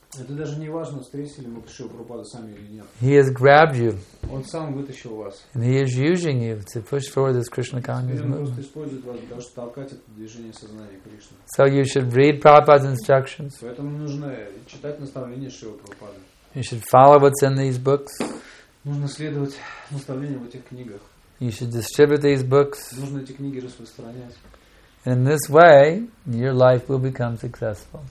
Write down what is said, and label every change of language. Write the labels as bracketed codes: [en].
[ru] Это даже не важно, встретили мы Шрилу Прабхупаду сами или нет. [en] He has grabbed you. [ru] Он сам вытащил вас. [en] And he is using you to push forward this Krishna consciousness movement. [ru] Он просто использует вас для того, чтобы толкать это движение сознания Кришны. [en] So you should read Prabhupada's instructions. [ru] Поэтому нужно читать наставления Шрилы Прабхупады. [en] You should follow what's in these books. [ru] Нужно следовать наставлениям в этих книгах. [en] You should distribute these books. [ru] Нужно эти книги распространять. [en] And in this way, your life will become successful.